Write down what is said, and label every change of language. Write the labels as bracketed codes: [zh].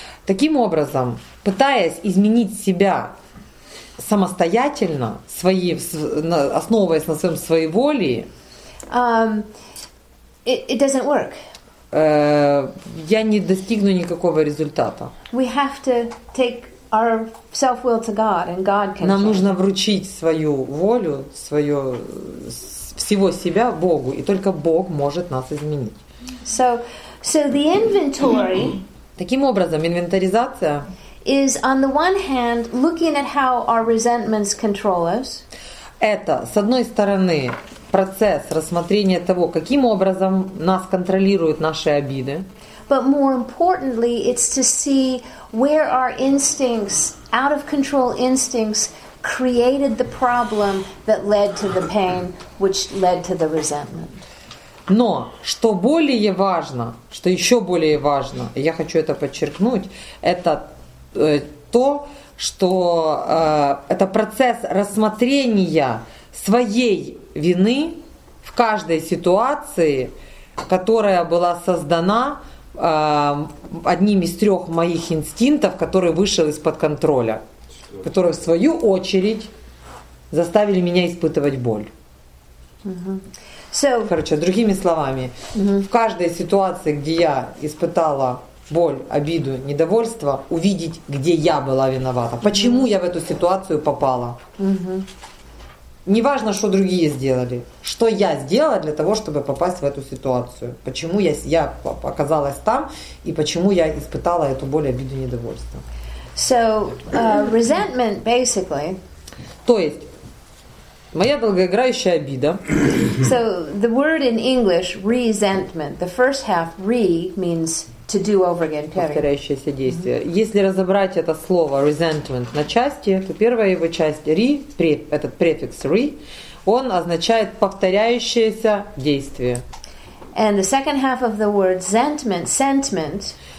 [ru] таким образом, пытаясь изменить себя самостоятельно, основываясь на своем своеволии, [en] It doesn't work. [ru] Я не достигну никакого результата. [en] We have to take our self-will to God, and God can. [ru] Нам нужно вручить свою волю, свое всего себя Богу, и только Бог может нас изменить. [en] So the inventory. [ru] Таким образом, инвентаризация. [en] Is on the one hand looking at how our resentments control us. [ru] Это с одной стороны. Процесс рассмотрения того, каким образом нас контролируют наши обиды. [en] But more importantly, it's to see where our instincts, out of control instincts, created the problem that led to the pain, which led to the resentment. [ru] Но что более важно, что еще более важно, я хочу это подчеркнуть, это то, что это процесс рассмотрения своей вины в каждой ситуации, которая была создана одним из трех моих инстинктов, который вышел из-под контроля, которые в свою очередь заставили меня испытывать боль. Mm-hmm. Короче, другими словами, mm-hmm. в каждой ситуации, где я испытала боль, обиду, недовольство, увидеть, где я была виновата, почему mm-hmm. я в эту ситуацию попала. Mm-hmm. Не важно, что другие сделали. Что я сделала для того, чтобы попасть в эту ситуацию? Почему я оказалась там? И почему я испытала эту боль, обиду, недовольство? [en] Resentment, basically. [ru] То есть, моя долгоиграющая обида. [en] So, the word in English, resentment. The first half, re, means to do over again. [ru] Повторяющееся действие. Mm-hmm. Если разобрать это слово resentment на части, то первая его часть re, этот префикс re, он означает повторяющееся действие. [en] And the second half of the word sentiment.